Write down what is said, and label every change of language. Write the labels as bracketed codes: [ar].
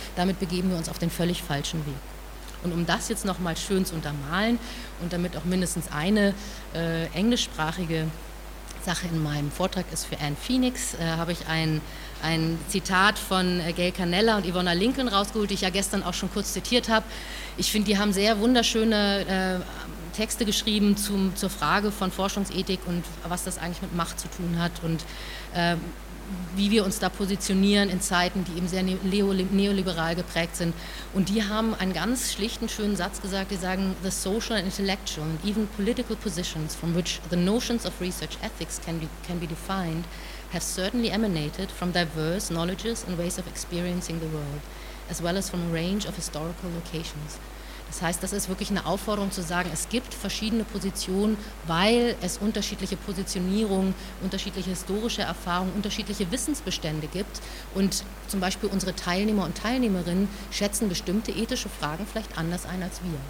[de] Damit begeben wir uns auf den völlig falschen Weg. Und um das jetzt nochmal schön zu untermalen und damit auch mindestens eine englischsprachige Sache in meinem Vortrag ist für Anne Phoenix, habe ich ein Zitat von Gail Canella und Ivona Lincoln rausgeholt, die ich ja gestern auch schon kurz zitiert habe. Ich finde, die haben sehr wunderschöne Texte geschrieben zur Frage von Forschungsethik und was das eigentlich mit Macht zu tun hat und wie wir uns da positionieren in Zeiten, die eben sehr neoliberal geprägt sind. Und die haben einen ganz schlichten, schönen Satz gesagt, die sagen, [en] the social and intellectual and even political positions from which the notions of research ethics can be defined have certainly emanated from diverse knowledges and ways of experiencing the world, as well as from a range of historical locations. [de] Das heißt, das ist wirklich eine Aufforderung zu sagen, es gibt verschiedene Positionen, weil es unterschiedliche Positionierungen, unterschiedliche historische Erfahrungen, unterschiedliche Wissensbestände gibt. Und zum Beispiel unsere Teilnehmer und Teilnehmerinnen schätzen bestimmte ethische Fragen vielleicht anders ein als wir.